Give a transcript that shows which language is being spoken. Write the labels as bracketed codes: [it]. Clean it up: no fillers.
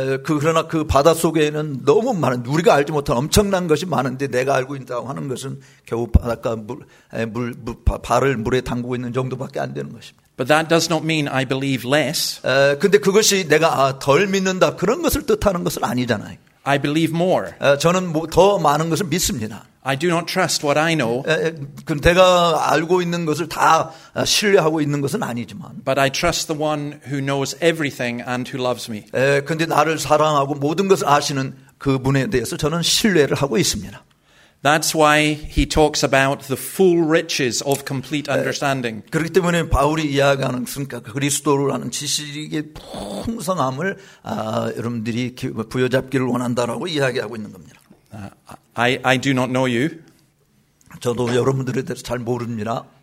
[ko] 그러나 그 바다 속에는 너무 많은 우리가 알지 못한 엄청난 것이 많은데 내가 알고 있다고 하는 것은 겨우 바닷가 발을 물에 담그고 있는 정도밖에 안 되는 것입니다. [en] But that does not mean I believe less. [ko] 근데 그것이 내가 덜 믿는다 그런 것을 뜻하는 것은 아니잖아요. [en] I believe more. [ko] 저는 더 많은 것을 믿습니다. [en] I do not trust what I know. [ko] 근데 내가 알고 있는 것을 다 신뢰하고 있는 것은 아니지만. [en] But I trust the one who knows everything and who loves me. [ko] 근데 나를 사랑하고 모든 것을 아시는 그분에 대해서 저는 신뢰를 하고 있습니다. [en] That's why he talks about the full riches of complete understanding. [ko] 그렇기 때문에 바울이 이야기하는 순간 그리스도라는 지식의 풍성함을 여러분들이 부여잡기를 원한다라고 이야기하고 있는 겁니다. [en] I do not know you. [ko] 저도 여러분들에 대해서 잘 모릅니다.